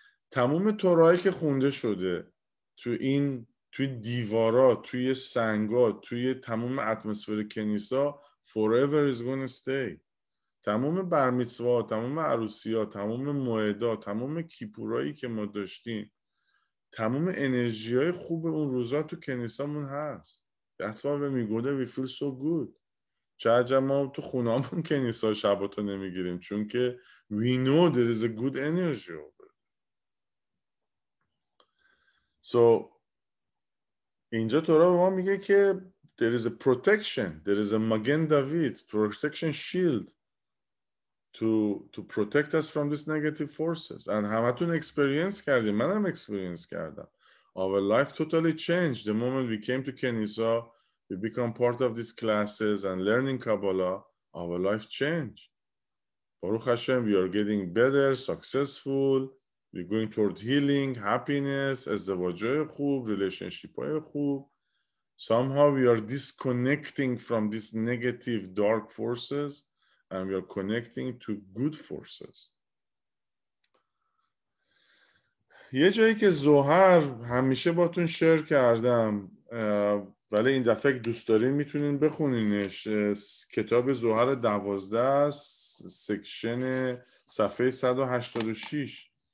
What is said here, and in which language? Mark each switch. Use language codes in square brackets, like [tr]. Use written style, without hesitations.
[fa] تمام تورایی که خونده شده تو این توی دیوارا، توی سنگا، توی تمام اتمسفر کنیسا [en] forever is going to stay. [fa] تمام بر میتسوا، تمام عروسی ها، تمام موعدا، تمام کیپورایی که ما داشتیم، تمام انرژی های خوب اون روزا تو کنیسامون هست. [en] That's why we go there, we feel so good. [fa] چه عجب ما تو خونامون کنیسا شباتو نمیگیریم، چون که [en] we know there is a good energy over. So [fa] اینجا تورا به ما میگه که [en] there is a protection, there is a Magen David protection shield to protect us from these negative forces. [fa] And همه تون اکسپریانس کردیم، منم اکسپریانس کردم. [en] Our life totally changed the moment we came to کنیسا. We become part of these classes and learning Kabbalah, our life change. Baruch Hashem, we are getting better, successful. We're going toward healing, happiness, [fa] ازدواجای خوب, [en] relationship‌های خوب. Somehow we are disconnecting from these negative dark forces and we are connecting to good forces. [fa] یه جایی که زوهر همیشه باتون شیر کردم، ولی این دفعه دوست دارین میتونین بخونینش، کتاب زوهر 12 سکشن صفحه 186.